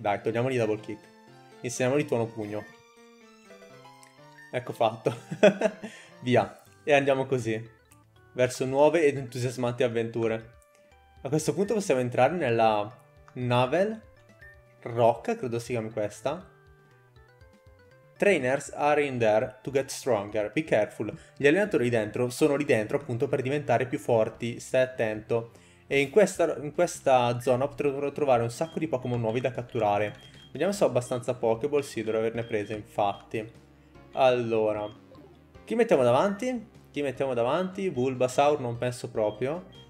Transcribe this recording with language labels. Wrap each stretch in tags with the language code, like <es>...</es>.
<it>Dai, togliamogli Double Kick. Insegniamogli Tuono Pugno. Ecco fatto. Via. E andiamo così. Verso nuove ed entusiasmanti avventure. A questo punto possiamo entrare nella Navel Rock, credo si chiami questa.</it> <en>Trainers are in there to get stronger. Be careful.</en> <it>Gli allenatori dentro sono lì dentro appunto per diventare più forti. Stai attento. E in questa zona potrò trovare un sacco di Pokémon nuovi da catturare. Vediamo se ho abbastanza Pokéball. Sì, dovrei averne prese, infatti. Allora, chi mettiamo davanti? Chi mettiamo davanti? Bulbasaur, non penso proprio.</it>